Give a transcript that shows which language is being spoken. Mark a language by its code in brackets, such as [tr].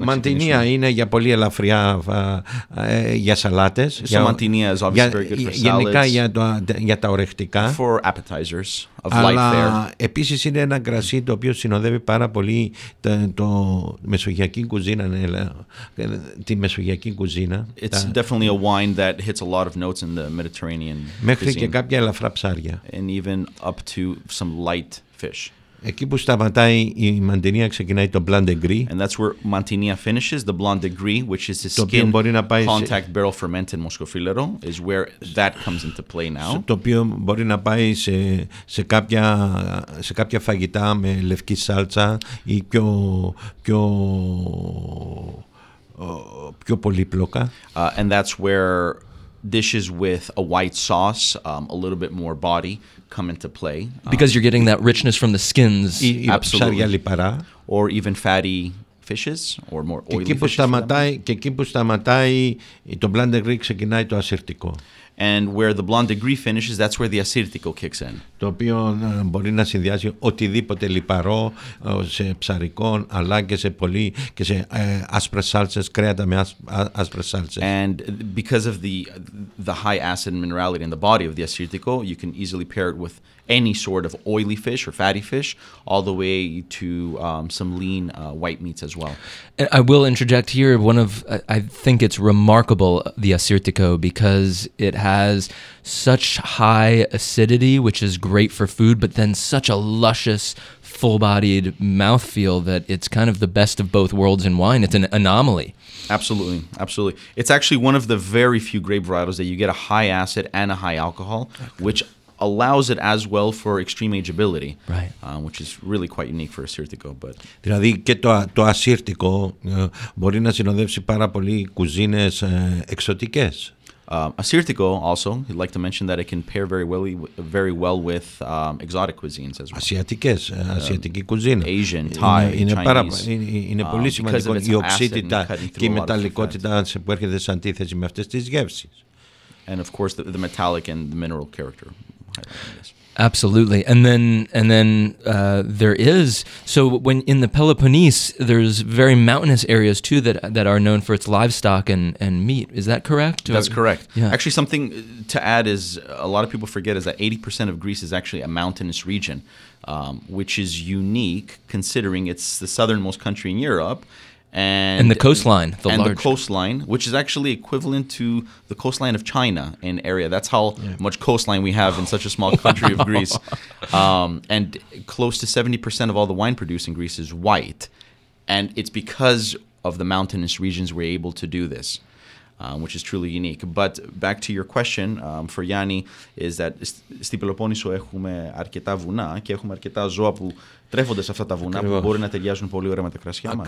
[el] Μαντινία είναι για πολύ ελαφριά για σαλάτες. [en] So Mantinia is obviously very good for salads. [el] Γενικά για τα ορεκτικά. [en] For appetizers of light fare. [el] Αλλά επίσης είναι ένα κρασί το οποίο συνοδεύει πάρα πολύ το μεσογειακή κουζίνα. Τη μεσογειακή κουζίνα. [en] It's definitely a wine that hits a lot of notes in the Mediterranean cuisine. [el] Μέχρι και κάποια ελαφρά ψάρια. [en] And even up to some light fish. [el] Εκεί που σταματάει η Μαντινία ξεκινάει το Blanc de Gris. [en] And that's where Mantinia finishes, the Blanc de Gris, which is the skin contact barrel fermented Moscofilero, is where that comes into play now. [el] Το οποίο μπορεί να πάει σε κάποια φαγητά με λευκή σάλτσα ή πιο πολύπλοκα. [en] And that's where dishes with a white sauce, a little bit more body, come into play. Because you're getting that richness from the skins. Absolutely. Or even fatty fishes or more oily fishes. [el] Και εκεί που σταματάει το Blanc de Gris ξεκινάει το ασυρτικό. [en] And where the Blanc de Gris finishes, that's where the ασυρτικό kicks in. [el] Το οποίο μπορεί να συνδυάσει οτιδήποτε λιπαρό σε ψαρικό, αλλά και σε πολύ και σε άσπρες σάλτσες, κρέατα με άσπρες σάλτσες. [en] And because of the high acid minerality in the body of the ασυρτικό, you can easily pair it with any sort of oily fish or fatty fish, all the way to some lean white meats as well. And I will interject here, one of, I think it's remarkable, the ασυρτικό, because it has such high acidity, which is great for food, but then such a luscious, full-bodied mouthfeel that it's kind of the best of both worlds in wine. It's an anomaly. Absolutely, absolutely. It's actually one of the very few grape varietals that you get a high acid and a high alcohol, okay, which allows it as well for extreme ageability, right, which is really quite unique for ασυρτικό. But [el] δηλαδή και το ασυρτικό μπορεί να συνοδεύσει πάρα πολύ κουζίνες εξωτικές. [en] Ασυρτικό also, I'd like to mention that it can pair very well with exotic cuisines as well. [el] Ασιατικές, ασιατική κουζίνα. [en] Asian, Thai, Chinese. [el] Πολύ σημαντικό η οξύτητα και η μεταλλικότητα που έρχεται σε αντίθεση με αυτές τις γεύσεις. [en] And of course the metallic and the mineral character. Absolutely. And then there is, so when in the Peloponnese, there's very mountainous areas too that are known for its livestock and meat. Is that correct? That's correct. Yeah. Actually, something to add is a lot of people forget is that 80% of Greece is actually a mountainous region, which is unique considering it's the southernmost country in Europe. And the coastline, the and large. And the coastline, which is actually equivalent to the coastline of China in area. That's how much coastline we have in such a small country of Greece. And close to 70% of all the wine produced in Greece is white. And it's because of the mountainous regions we're able to do this, which is truly unique. But back to your question for Yanni, is that [el] στη Πελοπόννησο έχουμε αρκετά βουνά και έχουμε αρκετά ζώα που τρέφονται σε αυτά τα βουνά. Ακριβώς. Που μπορεί να ταιριάζουν πολύ ωραία με τα κρασιά μας.